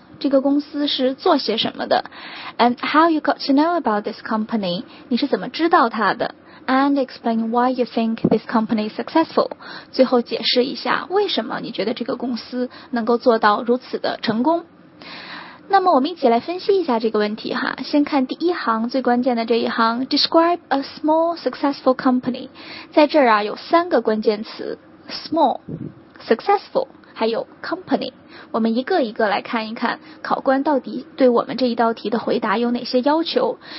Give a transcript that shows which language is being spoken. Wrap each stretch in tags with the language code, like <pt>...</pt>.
<zh>这个公司是做些什么的？</zh> <en>And how you got to know about this company.</en> <zh>你是怎么知道它的？</zh> <en>And explain why you think this company is successful.</en> <zh>最后解释一下为什么你觉得这个公司能够做到如此的成功。那么我们一起来分析一下这个问题哈，先看第一行最关键的这一行，</zh> <en>Describe a small successful company，</en> <zh>在这儿啊有三个关键词， small， successful， 还有 company， 我们一个一个来看一看考官到底对我们这一道题的回答有哪些要求。</zh>